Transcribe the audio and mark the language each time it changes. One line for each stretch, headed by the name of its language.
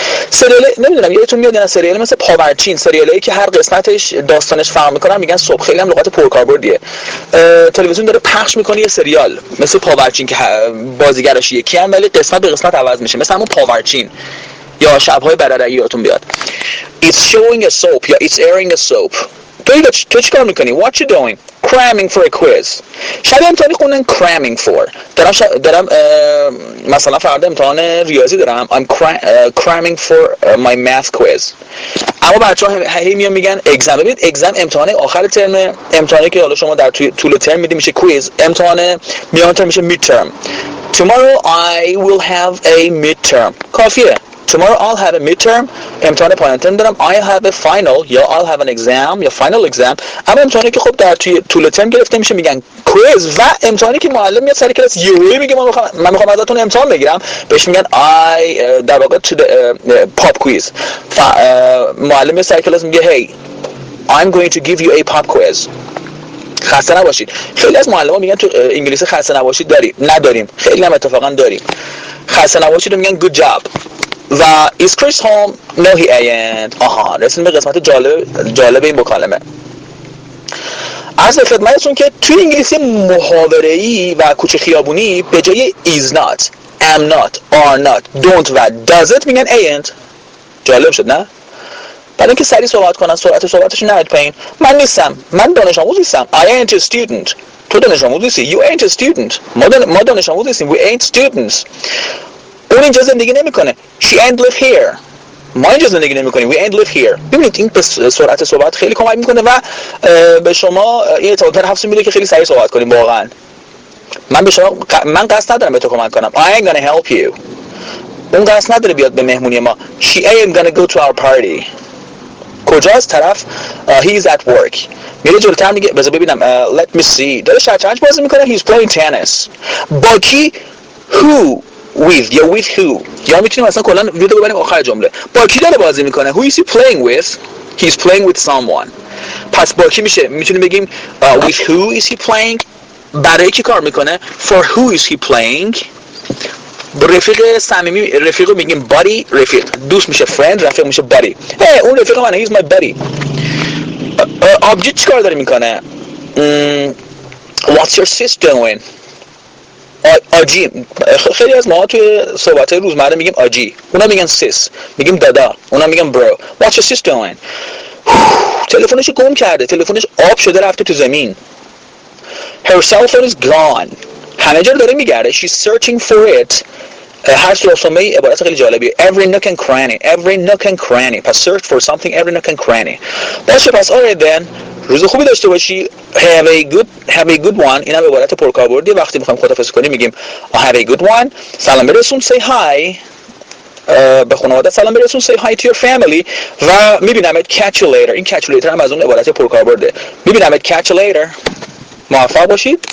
Persian: سریال، نمیدونم یادتون میاد یا نه، سریال مثل پاورچین، سریالی که هر قسمتش داستانش فرق میکنه میگن soap، خیلی هم لغت پرکاربردیه. تلویزیون داره پخش میکنه یه سریال مثل پاورچین که بازیگرش یکی هم ولی قسمت به قسمت عوض میشه، مثل همون پاورچین یا شب‌های برره‌ای یادتون بیاد.
English: It's showing a soap یا it's airing a soap.
Persian: تو چی کار میکنی؟
English: What you doing؟ Cramming for a quiz.
Persian: شبیه امتحانی خوندن cramming for. دارم مثلا فردا امتحان ریاضی دارم.
English: I'm cramming for my math quiz.
Persian: اما بچه‌ها هی میان میگن exam. ببینید exam امتحان آخر ترم، امتحانی که حالا شما در طول ترم میدی میشه quiz. امتحان میان ترم میشه midterm.
English: Tomorrow I will have a midterm.
Persian: کافیه.
English: Tomorrow I'll have a midterm.
Persian: امتحان پایان ترم دارم.
English: I'll have a final. یا I'll have an exam. یا final exam.
Persian: اما امتحانی که خب در توی طول ترم گرفته میشه میگن quiz. و امتحانی که معلم میاد سر کلاس یوهی میگه من میخوام ازتون امتحان بگیرم، بهش میگن در واقع pop quiز. معلم میاد سر کلاس میگه
English: hey, I'm going to give you a pop quiz.
Persian: خسته نباشید. خیلی از معلم ها میگن تو انگلیسی خسته نباشید داریم. نداریم. خیلی هم اتفاقا داریم. خسته نباشید و میگن
English: good job. و is Chris home؟ No he ain't.
Persian: آها، رسیدیم به قسمت جالب این مکالمه. عرض خدمتتون که توی انگلیسی محاوره‌ای و کوچه خیابونی به جای is not، am not، are not، don't و doesn't میگن ain't. جالب شد نه؟ برای اینکه سریع صحبت کنن سرعت صحبتش نهید پایین. من نیستم، من دانش آموز نیستم.
English: I ain't a student.
Persian: تو دانش آموز نیستی.
English: You ain't a student.
Persian: ما دانش آموز نیستیم.
English: We ain't students.
Persian: اون اینجا زندگی نمی کنه.
English: She ain't live here.
Persian: ما اینجا زندگی نمی کنیم.
English: We ain't live here.
Persian: ببینید این به سرعت صحبت خیلی کمک میکنه و به شما این اعتماد به نفس میده که خیلی سریع صحبت کنیم. واقعا من به شما من قصد ندارم به تو کمک کنم.
English: I ain't gonna help you.
Persian: اون قصد نداره بیاد به مهمونی ما.
English: She ain't gonna go to our party.
Persian: کجاست طرف؟
English: He is at work.
Persian: میره جلتر میگه بذار ببینم.
English: Let me see.
Persian: داره شطرنج بازی میکنه.
English: He is playing tennis.
Persian: با کی؟ Who؟ With یا with who؟ یا میتونیم اصلا کلا ویدیو ببریم آخر جمله. با کی داره بازی میکنه؟
English: Who is he playing with؟ He is playing with someone.
Persian: پس با کی میشه؟ میتونیم بگیم
English: with who is he playing؟
Persian: برای کی کار میکنه؟
English: For who is he playing؟
Persian: رفیق صمیمی، رفیقو میگیم buddy. رفیق دوست میشه friend، رفیق میشه buddy.
English: hey,
Persian: اون رفیق منه،
English: he is my buddy. Object
Persian: چیکار داره میکنه؟
English: What's your sis doing؟ آجی.
Persian: خیلی از ما توی صحبت روزمره میگیم آجی، اونا میگن سیس، میگیم دادا، اونا میگن برو.
English: What's your sis doing؟
Persian: تلفنش گم کرده، تلفنش آب شده رفته تو زمین.
English: Her cell phone is gone.
Persian: همه جا داره میگرده.
English: She's searching for it.
Persian: هر سلسومه ای عبارت خیلی جالبیه.
English: Every nook and cranny. Every nook and cranny. پس search for something every nook and cranny.
Persian: باشه پس
English: all right then.
Persian: روز خوبی داشته باشی.
English: Have a good one.
Persian: اینم عبارت پرکاربردیه. وقتی میخوایم خدافظی کنیم میگیم have a good one. سلام برسون.
English: Say hi.
Persian: به خانواده سلام برسون.
English: Say hi to your family.
Persian: و میبینمت.
English: Catch you later. این catch you later هم از اون عبارت پرکاربرده.
Persian: میبینمت.
English: Catch you later.
Persian: موفق باشید.